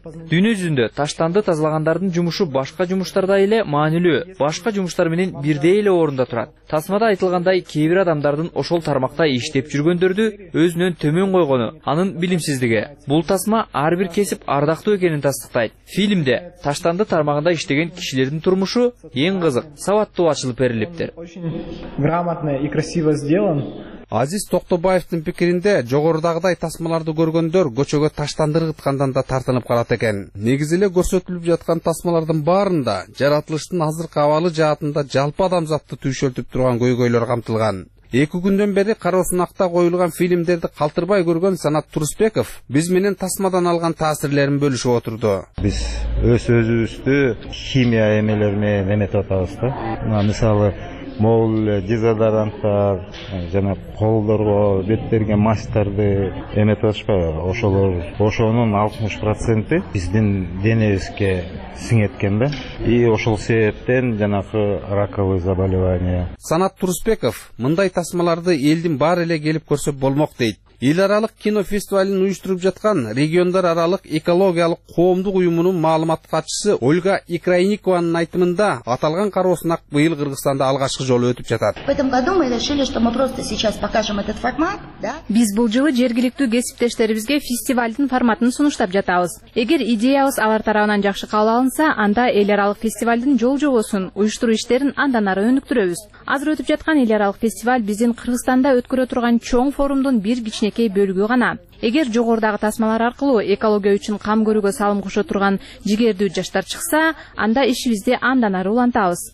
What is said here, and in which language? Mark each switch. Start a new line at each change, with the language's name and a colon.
Kyrgyz: Дүйнө жүзүндө таштанды тазалагандардын жумушу башка жумуштардай эле маанилүү, башка жумуштар менен бирдей эле орунда турат. Тасмада айтылгандай, кээ бир адамдардын ошол тармакта иштеп жүргөндөрдү өзүнөн төмөн койгону анын билимсиздиги. Бул тасма ар бир кесип ардактуу экенин тастыктайт. Фильмде таштанды тармагында иштеген кишилердин турмушу эң кызык, сабаттуу ачылып берилиптир.
Russian: Грамотно и красиво сделан.
Kyrgyz: Азиз Токтобаевдин пикиринде жогорудагыдай тасмаларды көргөндөр көчөгө таштанды ыргыткандан да тартынып калат экен. Негизи эле көрсөтүлүп жаткан тасмалардын баарында жаратылыштын азыркы абалы жаатында жалпы адамзатты түйшөлтүп турган көйгөйлөр камтылган. Эки күндөн бери кароо сынакта коюлган фильмдерди калтырбай көргөн Санат Турусбеков биз менен тасмадан алган таасирлерин бөлүшүп отурду. Биз өз өзүбүздү химия эмелери менен эметип атабыз да. Мына мисалы могул эле дезодоранттар жана колдорго беттерге масктарды эметип атышпайбы, ошолор ошонун 60% биздин денебизге сиңеткен да, и ошол себептен жанагы
Russian: раковый заболевание.
Kyrgyz: Санат Турусбеков мындай тасмаларды элдин баары эле келип көрсө болмок дейт. Эл аралык кинофестивалын уюштуруп жаткан региондор аралык экологиялык коомдук уюмунун маалымат катчысы Ольга Икрайникованын айтымында аталган кароо сынак быйыл Кыргызстанда алгачкы жолу өтүп жатат.
Russian: В этом году мы решили, что мы просто сейчас покажем этот формат, да?
Kyrgyz: Биз бул жылы жергиликтүү кесиптештерибизге фестивалдын форматын сунуштап жатабыз. Эгер идеябыз алар тарабынан жакшы кабыл алынса, анда эл аралык фестивалдын жол-жобосун, уюштуруу иштерин андан ары өнүктүрөбүз. Азыр өтүп жаткан эл аралык фестиваль биздин Кыргызстанда өткөрө турган чоң форумдун бир кичинекей бөлүгү гана. Эгер жогорудагы тасмалар аркылуу экология үчүн кам көрүүгө салым кошо турган жигердүү жаштар чыкса, анда ишибизди андан ары улантабыз.